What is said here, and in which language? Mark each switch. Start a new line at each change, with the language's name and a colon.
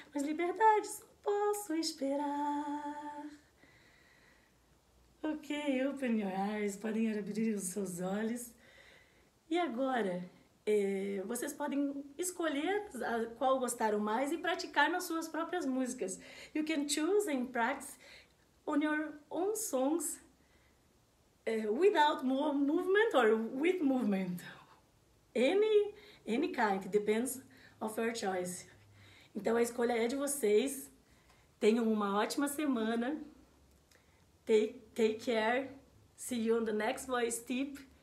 Portuguese: Mas liberdade só posso esperar.
English: Ok, open your eyes.
Portuguese: Podem abrir os seus olhos. E agora? Vocês podem escolher qual gostaram mais e praticar nas suas próprias músicas.
English: You can choose and practice on your own songs, without movement or with movement. Any kind, depends of your choice.
Portuguese: Então a escolha é de vocês. Tenham uma ótima semana.
English: Take care. See you on the next voice tip.